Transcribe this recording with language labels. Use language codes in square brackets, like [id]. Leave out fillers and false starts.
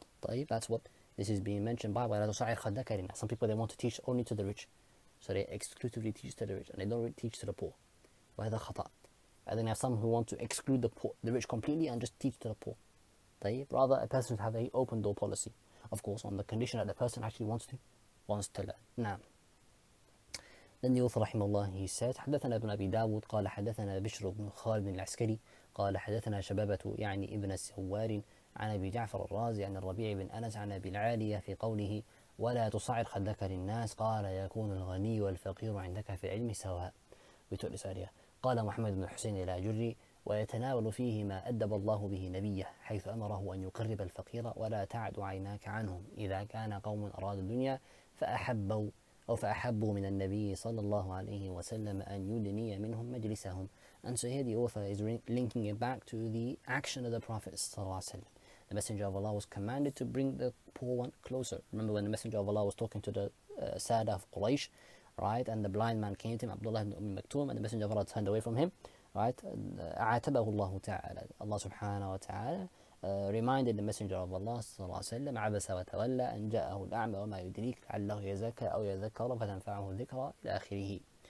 [en] طيب, that's what this is being mentioned by. Some people, they want to teach only to the rich, so they exclusively teach to the rich and they don't really teach to the poor. And then you have some who want to exclude the poor, the rich completely, and just teach to the poor. طيب, rather a person should have an open door policy, of course, on the condition that the person actually wants to learn. Now, then the author, rahimahullah, he said, [ar] حدثنا ابن أبي داود قال حدثنا بشر بن خالد العسكري قال حدثنا شبابة يعني ابن السوار عن أبي جعفر الرازي عن الربيع بن أنس عن أبي العالية في قوله ولا تصعر خدك للناس قال يكون الغني والفقير عندك في العلم سواء. بتونس عليها. قال محمد بن حسين إلى جري ويتناول فيه ما أدب الله به نبيه حيث أمره أن يقرب الفقير ولا تعد عيناك عنهم إذا كان قوم أرادوا الدنيا فأحبوا أو فأحبوا من النبي صلى الله عليه وسلم أن يدني منهم مجلسهم. [en] And so here the author is linking it back to the action of the Prophet ﷺ. The Messenger of Allah was commanded to bring the poor one closer. Remember when the Messenger of Allah was talking to the Sada of Quraysh, right? And the blind man came to him, Abdullah ibn Umm Maktum, and the Messenger of Allah turned away from him, right? [ar] عاتبه الله تعالى. [en] Allah subhanahu wa ta'ala reminded the Messenger of Allah [ar] صلى الله عليه وسلم عبس وتولى أن جاءه الأعمى وما يدريك لعله يزكى أو يذكر فتنفعه الذكرى إلى آخره.